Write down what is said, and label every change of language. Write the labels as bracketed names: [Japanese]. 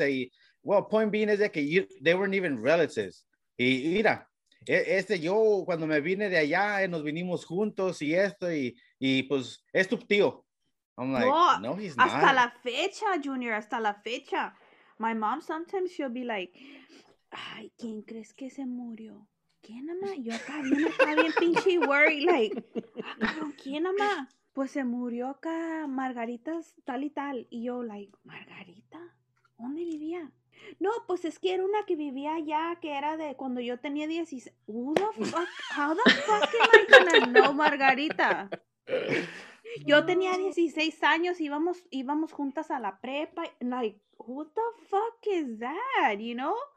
[English] Y, well, point being is that they weren't even relatives. [Spanish] Y mira, yo cuando me vine de allá nos vinimos juntos y esto, y pues es tu tío. [English] I'm like, no, he's [Spanish] hasta [English] not. [Spanish] Hasta la fecha, Junior, hasta la fecha. [English] My mom, sometimes she'll be like, [Spanish] ay, ¿quién crees que se murió? ¿Quién, ama? Yo acá bien, pinche worry, like, ¿quién, ama? Pues se murió acá Margarita tal y tal. Y yo, like, ¿Margarita? ¿Dónde vivía? No, pues es que era una que vivía allá, que era de cuando yo tenía 16. [English] Who the fuck? How the fuck am I gonna know Margarita? [Spanish] Yo tenía 16 años, íbamos juntas a la prepa. [English] Like, who the fuck is that, you know?